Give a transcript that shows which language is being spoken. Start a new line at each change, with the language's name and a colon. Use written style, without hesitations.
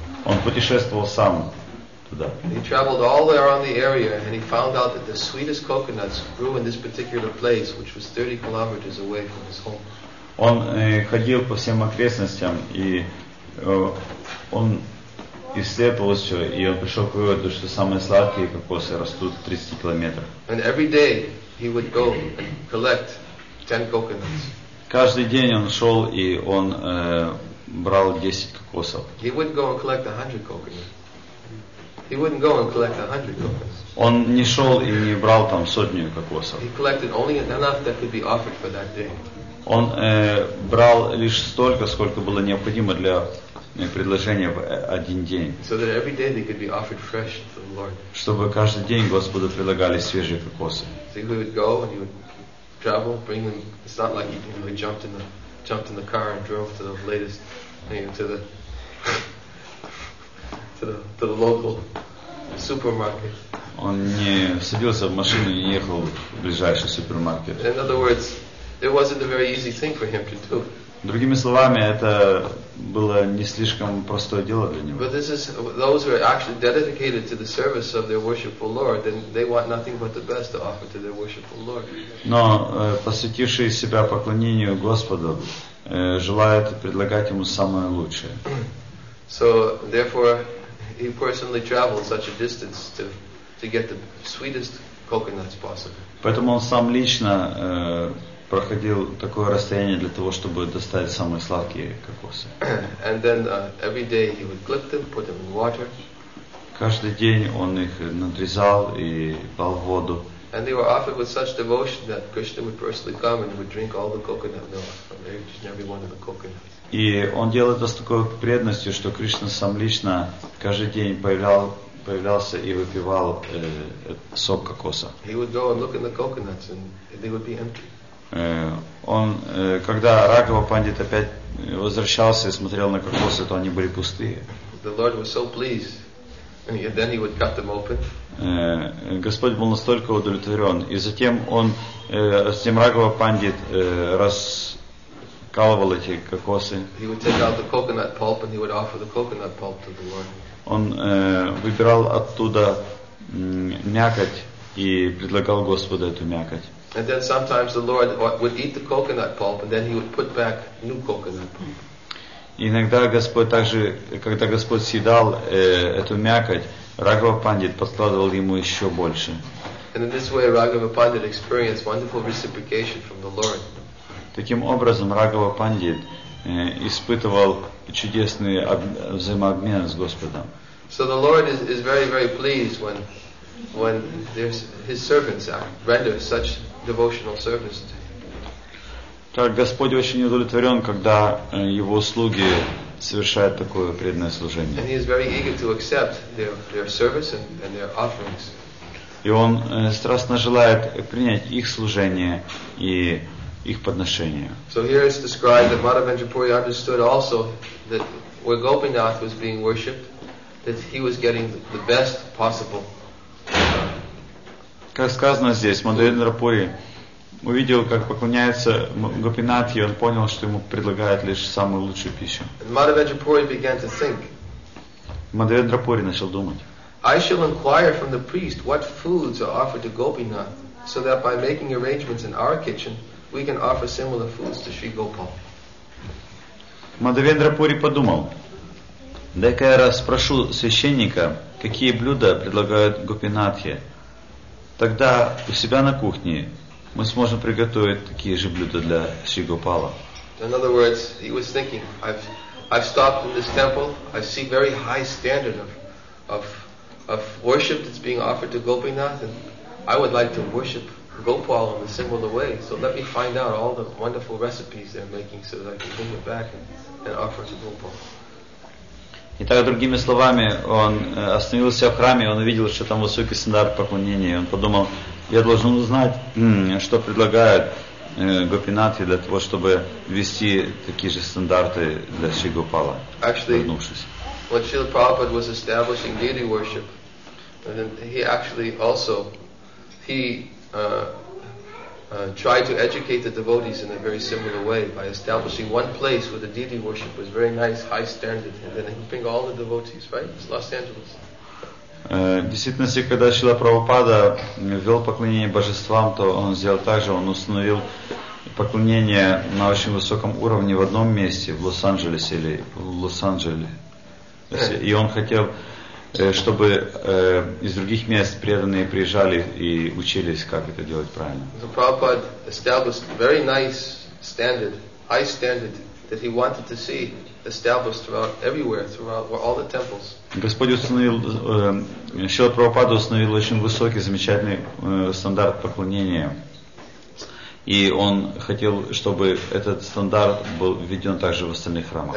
Russian: Он путешествовал сам туда.
English: He traveled all around the area and he found out that the sweetest coconuts grew in this particular place, which was 30 kilometers away from his home.
Russian: Он ходил по всем окрестностям и он исследовал все, и он пришел к выводу, что самые сладкие кокосы растут в 30 километрах.
English: And every day he would go and collect 10 coconuts.
Russian: Каждый день он шел и он брал 10 кокосов.
English: He would go and collect 100 coconuts. He wouldn't go and collect 100 coconuts.
Russian: Он не шел и не брал там сотню кокосов.
English: He collected only enough that could be offered for that day.
Russian: Он брал лишь столько, сколько было необходимо для предложения в один день.
English: So that every day they could be offered fresh to the Lord.
Russian: Чтобы каждый день Господу предлагали свежие кокосы.
English: So he would go and he would travel, bring them. It's not like he really jumped in the car and drove to the latest, to the local supermarket.
Russian: Он не садился в машину и не ехал в ближайший супермаркет.
English: In other words, it wasn't a very easy thing for him to do.
Russian: Другими словами, это было не слишком простое дело для него.
English: But this is those who are actually dedicated to the service of their worshipful Lord, then they want nothing but the best to offer to their worshipful Lord.
Russian: Но посвятившие себя поклонению Господу желают предлагать ему самое лучшее.
English: So therefore, he personally traveled such a distance to get the sweetest coconuts possible.
Russian: Поэтому он сам лично проходил такое расстояние для того, чтобы достать самые сладкие кокосы.
English: And then every day he would clip them, put them in water.
Russian: Каждый день он их надрезал и брал в воду.
English: And they were offered with such devotion that Krishna would personally come and would drink all the coconut milk from each and every one of the coconuts.
Russian: И он делал это с такой преданностью, что Кришна сам лично каждый день появлялся и выпивал сок кокоса.
English: He would go and look in the coconuts and they would be empty.
Russian: Он, когда Рагава Пандит опять возвращался и смотрел на кокосы, то они были пустые.
English: The Lord was so pleased, and then he would cut them open.
Russian: Господь был настолько удовлетворен, и затем он, затем Рагава Пандит раскалывал эти кокосы.
English: He would take out the coconut pulp and he would offer the coconut pulp to the Lord.
Russian: Он выбирал оттуда мякоть и предлагал Господу эту мякоть.
English: And then sometimes the Lord would eat the coconut pulp, and then he would put back new coconut pulp.
Russian: Иногда Господь также, когда Господь съедал эту мякоть, Рагава Пандит подкладывал ему еще больше.
English: And in this way, Рагава Пандит experienced wonderful reciprocation from the Lord.
Russian: Таким образом, Рагава Пандит испытывал чудесный взаимообмен с Господом.
English: So the Lord is very, very pleased when his servants render such devotional service.
Russian: Так Господь очень удовлетворен, когда его слуги совершают такое преданное служение.
English: And he is very eager to accept their service and their offerings.
Russian: И он страстно желает принять их служение и их подношение.
English: So here is described that Madhavendra Puri understood also that where Gopinath was being worshipped, that he was getting the best possible.
Russian: Как сказано здесь, Мадхавендра Пури увидел, как поклоняется Гопинатхе, он понял, что ему предлагают лишь самую лучшую пищу. Мадхавендра Пури начал думать.
English: I shall inquire from the priest what foods are offered to Gopinath, so that by making arrangements in our kitchen, we can offer similar foods to Sri Gopal.
Russian: Мадхавендра Пури подумал, дай-ка я раз спрошу священника, какие блюда предлагают Гопинатхе. Тогда у себя на кухне мы сможем приготовить такие же блюда для Шри Гопала.
English: In other words, he was thinking, I've stopped in this temple, I see very high standard of worship that's being offered to Gopinath, and I would like to worship Gopal in a similar way. So let me find out all the wonderful recipes they're making so that I can bring it back and offer to Gopal.
Russian: Итак, другими словами, он остановился в храме, он увидел, что там высокий стандарт поклонения, и он подумал, я должен узнать, что предлагает Гопинатхе для того, чтобы ввести такие же стандарты для Шри Гопала, вернувшись.
English: When Srila Prabhupada was establishing deity worship, he actually also tried to educate the devotees in a very similar way by establishing one place where the deity worship was very nice, high standard, and then helping all the devotees, right? It's Los Angeles.
Russian: Действительно, когда Шрила Прабхупада ввел поклонение божествам, то он сделал так же, он установил поклонение на очень высоком уровне в одном месте, в Лос-Анджелесе или в Лос-Анджелесе. И он хотел, чтобы из других мест преданные приезжали и учились, как это делать правильно.
English: So Prabhupada established very nice standard, high standard that he wanted to see established throughout everywhere, throughout all the temples.
Russian: Господь установил, Шрила Прабхупада установил очень высокий, замечательный стандарт поклонения. И он хотел, чтобы этот стандарт был введен также в остальных храмах.